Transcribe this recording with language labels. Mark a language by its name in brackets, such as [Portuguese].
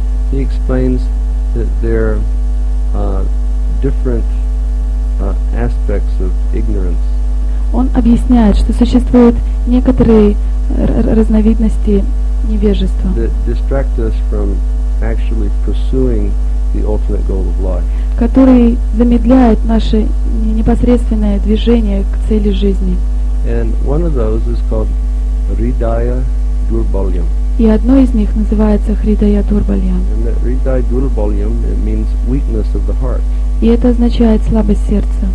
[English] He explains that there are different aspects of ignorance. [Russian] Он объясняет, что существуют некоторые разновидности невежества, [English] that distract us from actually pursuing the ultimate goal of life. [Russian] Которые замедляют наше непосредственное движение к цели жизни. [English] And one of those is called Ridaya Durbalyam. [Russian] И одно из них называется Хридая-дурбальям. [English] And that Хридая-дурбальям, it means weakness of the heart. [Russian] И это означает слабость сердца.